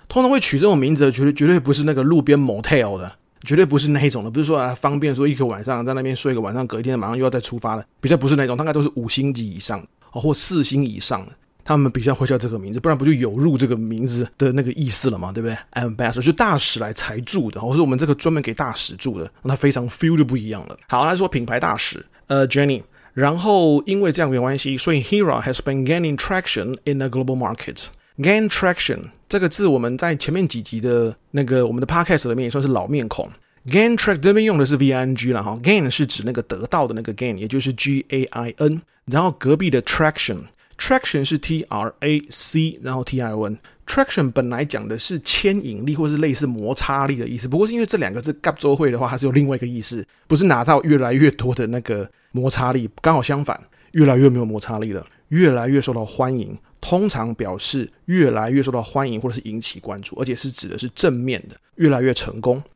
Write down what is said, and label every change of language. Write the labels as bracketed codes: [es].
[zh] 通常会取这种名字的，绝对不是那个路边 motel 的，绝对不是那一种的，不是说、啊、方便说一个晚上在那边睡一个晚上，隔一天马上又要再出发的，比较不是那种，大概都是五星级以上、哦、或四星以上的，他们比较会叫这个名字，不然不就有入这个名字的那个意思了吗？对不对 ？Ambassador 就大使来才住的，或是我们这个专门给大使住的，那非常 feel 就不一样了。好，来说品牌大使，Jennie， 然后因为这样的关系，所以 [en] Hera has been gaining traction in the global market. [zh] Gain traction 这个字我们在前面几集的那个我们的 podcast 里面也算是老面孔。 Gain traction 这边用的是 ving 了哈 ，gain 是指那个得到的那个 gain， 也就是 gain， 然后隔壁的 traction。 Traction 是 T-R-A-C 然后 T-I-O-N， Traction 本来讲的是牵引力或是类似摩擦力的意思，不过是因为这两个字合作会的话，它是有另外一个意思，不是拿到越来越多的那个摩擦力，刚好相反，越来越没有摩擦力了，越来越受到欢迎，通常表示越来越受到欢迎或者是引起关注，而且是指的是正面的越来越成功。